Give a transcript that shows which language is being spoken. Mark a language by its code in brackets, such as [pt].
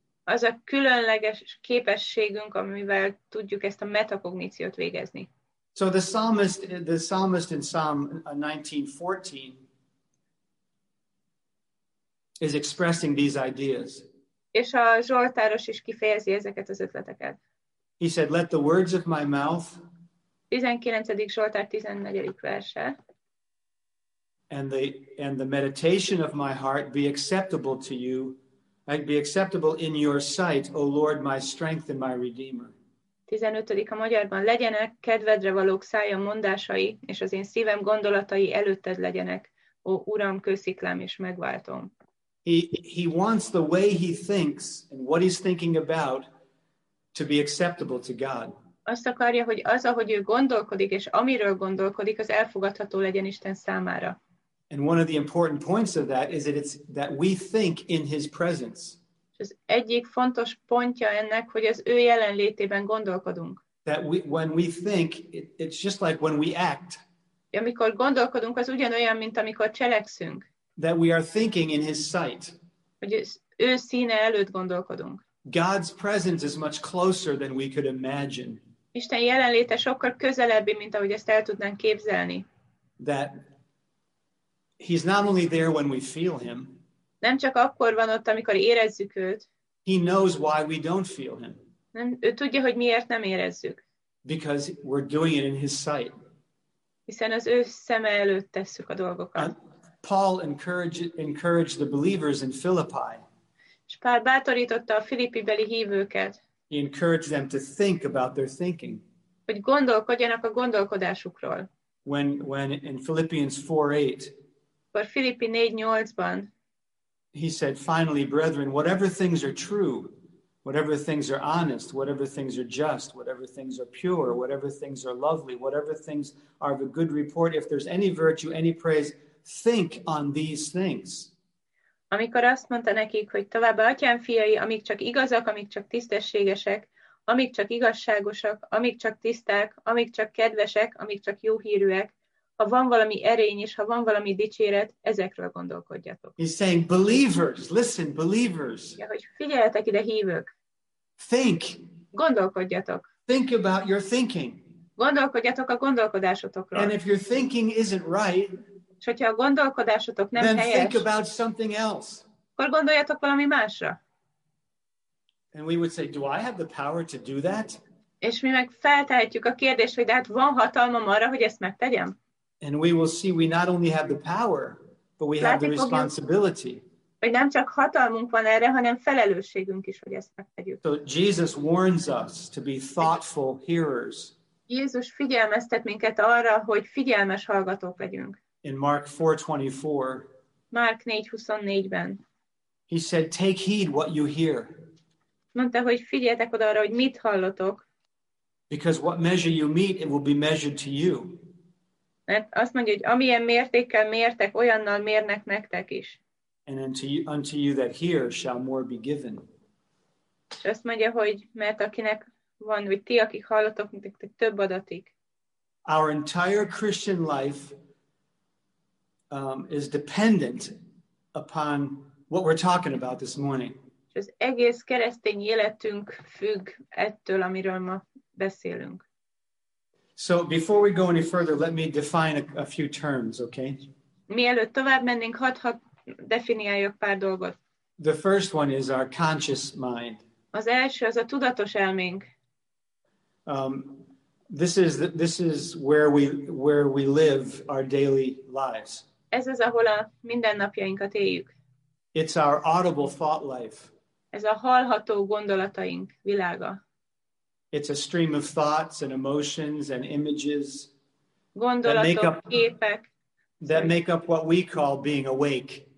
[hu] Az a különleges képességünk, amivel tudjuk ezt a metakogníciót végezni. [en] So the psalmist in Psalm 19:14 is expressing these ideas. [hu] És a Zsoltáros is kifejezi ezeket az ötleteket. [en] He said, "Let the words of my mouth." [hu] 19. Zsoltár 14. verse. [en] And the meditation of my heart be acceptable to you, I'd be acceptable in your sight, O Lord, my strength and my redeemer. 15. [hu] A magyarban legyenek kedvedre valók szájam mondásai, és az én szívem gondolatai előtted legyenek, ó Uram, kősziklám és megváltom. [en] He wants the way he thinks and what he's thinking about to be acceptable to God. [hu] Azt akarja, hogy az, ahogy ő gondolkodik, és amiről gondolkodik, az elfogadható legyen Isten számára. [en] And one of the important points of that is that it's that we think in his presence. [hu] Az egyik fontos pontja ennek, hogy az ő jelenlétében gondolkodunk. [en] That when we think, it's just like when we act. [hu] Amikor gondolkodunk, az ugyanolyan, mint amikor cselekszünk. [en] That we are thinking in his sight. [hu] Hogy az ő színe előtt gondolkodunk. [en] God's presence is much closer than we could imagine. [hu] Isten jelenléte sokkal közelebbi, mint ahogy ezt el tudnánk képzelni. [en] That he's not only there when we feel him. [hu] Nem csak akkor van ott, amikor érezzük őt. [en] He knows why we don't feel him. [hu] Nem, ő tudja, hogy miért nem érezzük. [en] Because we're doing it in his sight. [hu] Hiszen az ő szeme előtt tesszük a dolgokat. [en] Paul encouraged the believers in Philippi. [hu] És Pál bátorította a filippibeli hívőket. [en] He encouraged them to think about their thinking. [hu] Hogy gondolkodjanak a gondolkodásukról. [en] When in Philippians 4:8. [hu] Akkor Filippi 4:8-ban. [en] He said, finally, brethren, whatever things are true, whatever things are honest, whatever things are just, whatever things are pure, whatever things are lovely, whatever things are of a good report, if there's any virtue, any praise, think on these things. [hu] Amikor azt mondta nekik, hogy továbbá atyám fiai, amik csak igazak, amik csak tisztességesek, amik csak igazságosak, amik csak tiszták, amik csak kedvesek, amik csak jóhírűek, ha van valami erény és ha van valami dicséret, ezekről gondolkodjatok. [en] He's saying, believers, listen, believers. [hu] Ja, hogy figyeljetek ide, hívők. [en] Think. [hu] Gondolkodjatok. [en] Think about your thinking. [hu] Gondolkodjatok a gondolkodásotokról. [en] And if your thinking isn't right, [hu] és hogyha a gondolkodásotok nem [en] then [hu] helyes, [en] think about something else. [hu] Akkor gondoljatok valami másra. [en] And we would say, do I have the power to do that? [hu] És mi meg feltehetjük a kérdést, hogy de hát van hatalmam arra, hogy ezt megtegyem? [en] And we will see we not only have the power, but we have the responsibility. [hu] Hogy nem csak hatalmunk van erre, hanem felelősségünk is, hogy ezt megtegyük. [en] So Jesus warns us to be thoughtful hearers. [hu] Jézus figyelmeztet minket arra, hogy figyelmes hallgatók legyünk. [en] In Mark 4:24. [hu] Mark 4:24-ben. [en] He said, take heed what you hear. [hu] Mondta, hogy figyeljetek oda arra, hogy mit hallotok. [en] Because what measure you meet, it will be measured to you. [hu] Mert azt mondja, hogy amilyen mértékkel mértek, olyannal mérnek nektek is. [en] And unto you that hear shall more be given. [hu] És azt mondja, hogy mert akinek van, hogy ti, akik hallotok, nektek több adatik. [en] Our entire Christian life is dependent upon what we're talking about this morning. [hu] És az egész keresztény életünk függ ettől, amiről ma beszélünk. [en] So before we go any further, let me define a few terms, okay? [hu] Mielőtt tovább mennénk, hadd definiáljak pár dolgot. [en] The first one is our conscious mind. [hu] Az első az a tudatos elménk. [en] This is where we live our daily lives. [hu] Ez az, ahol a mindennapjainkat éljük. [en] It's our audible thought life. [hu] Ez a hallható gondolataink világa. [en] It's a stream of thoughts and emotions and images. [hu] Gondolatok, képek. [en] That make up what we call being awake.